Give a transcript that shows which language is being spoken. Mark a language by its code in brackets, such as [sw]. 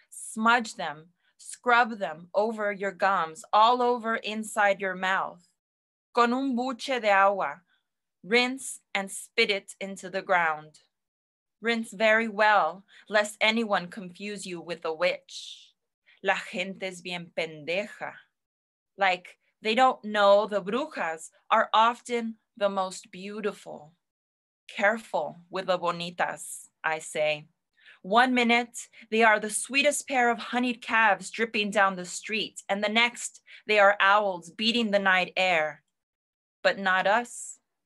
[en] Smudge them, scrub them over your gums, all over inside your mouth. [es] Con un buche de agua, [en] rinse and spit it into the ground. Rinse very well, lest anyone confuse you with a witch. [es] La gente es bien pendeja. [en] Like, they don't know the brujas are often the most beautiful. Careful with the bonitas, I say. One minute, they are the sweetest pair of honeyed calves dripping down the street, and the next, they are owls beating the night air. But not us.